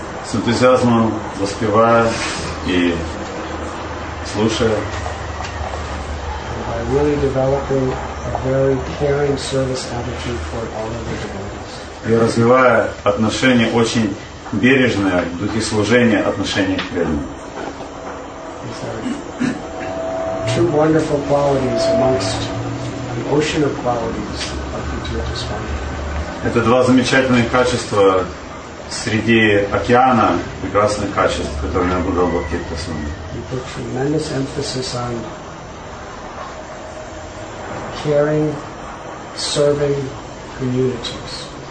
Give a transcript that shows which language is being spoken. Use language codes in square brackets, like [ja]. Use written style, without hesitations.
[ru] С энтузиазмом воспевая и слушая. [en] And by really developing a very caring service attitude for all of the devotees. [ru] И развивая отношение очень бережное в духе служения, отношение к преданным. [en] These are two wonderful qualities amongst an ocean of qualities of the Kirtan Swami. [ru] Это два замечательных качества среди океана, прекрасных качеств, которыми обладал Бхактивинода Свами. [en] He put tremendous emphasis on caring, serving communities.